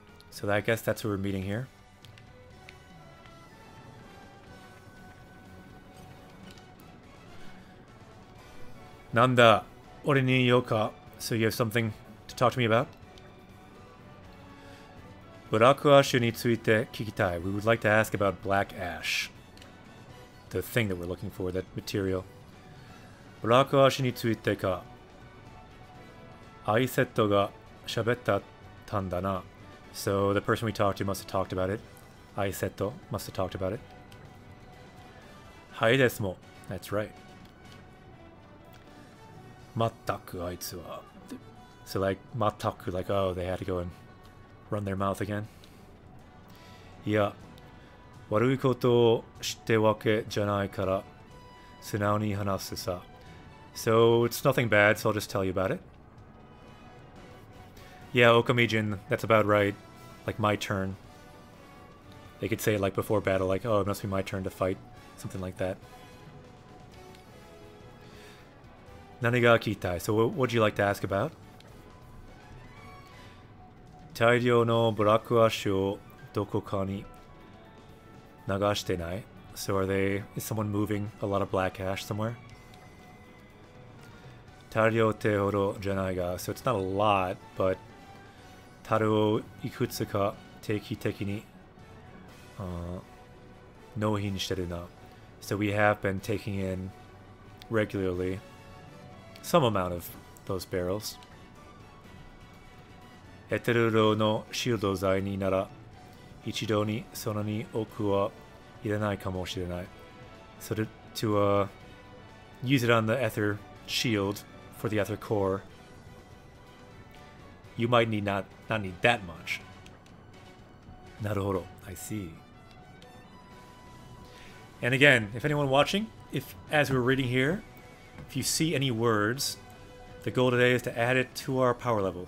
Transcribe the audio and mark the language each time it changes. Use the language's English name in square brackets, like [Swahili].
[English] So I guess that's what we're meeting here. Nanda, ore ni yoka. So you have something to talk to me about? [Japanese] ブラックアッシュについて聞きたい。 [English] We would like to ask about black ash. The thing that we're looking for, that material. [Japanese] ブラックアッシュについてか。アイセットが喋ったたんだな。 [English] So the person we talked to must have talked about it. アイセット must have talked about it. はいですも。 That's right. [Japanese] まったくあいつは。 [English] So like, まったく, like, oh, they had to go and run their mouth again. [Japanese] いや、悪いことを知ってわけじゃないから、素直に話すさ。 [English] So it's nothing bad, so I'll just tell you about it. Yeah, Okamijin, that's about right. Like, my turn. They could say it like before battle, like, oh, it must be my turn to fight. Something like that. 何が聞きたい? So what would you like to ask about? [Japanese] 大量のブラックアッシュをどこかに流してない? [English] So are they, is someone moving a lot of black ash somewhere? [Japanese] 大量ってほどじゃないが, so it's not a lot, but 樽をいくつか定期的に納品してるな。 [English] So we have been taking in regularly. Some amount of those barrels. [Japanese] エテルロのシールド剤になら一度にそんなに多くは入れないかもしれない。 [English] So to use it on the ether shield for the ether core, you might not need that much. なるほど。 I see. And again, if anyone watching, if as we're reading here,If you see any words, the goal today is to add it to our power level.